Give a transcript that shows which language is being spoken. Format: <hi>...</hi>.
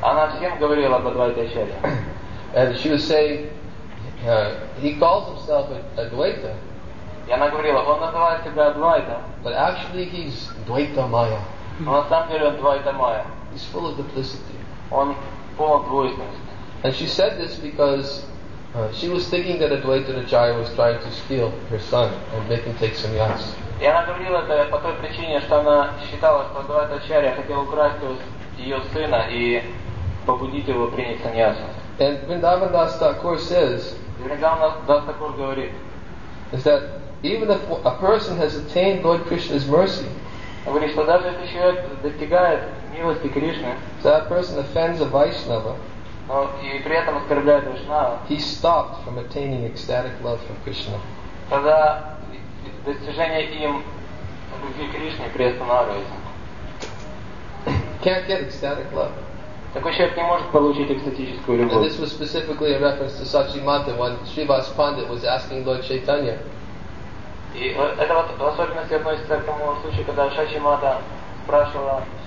<ru>Она всем говорила об Адвайта Ачарье.</ru> <en>And she was saying, he calls himself Advaita.</en> <ru>И она говорила, он называет себя Адвайта.</ru> <en>But actually he's Dvaita Maya.</en> <ru>Он на самом деле Двайта Майя.</ru> <en>He's full of duplicity.</en> <ru>Он полон двойственности.</ru> <en>And she said this because she was thinking that Advaita Acharya was trying to steal her son and make him take sannyas.</en> <ru>И она говорила это по той причине, что она считала, что Адвайта Ачарья хотел украсть ее сына и побудить его принять сannyas.</ru> <en>And Vrindavan Das Thakur says,</en> <ru>Vrindavan Das Thakur говорит,</ru> <en>is that even if a person has attained Lord Krishna's mercy,</en> <ru>говорит, что даже если человек достигает милости Кришны,</ru> <en>that person offends a Vaishnava.</en> <ru>И при этом оскорбляет Вайшнава.</ru> <en>He stopped from attaining ecstatic love for Krishna.</en> <ru>Тогда достижение им любви к Кришне приостанавливается.</ru> <en>Can't get ecstatic love.</en> <ru>Такой человек не может получить экстатическую любовь.</ru> <en>And this was specifically a reference to Sachi Mata when Srivas Pandit was asking Lord Chaitanya.</en> <ru>И это вот в особенности относится к тому случаю, когда Сачи Мата спрашивала.</ru>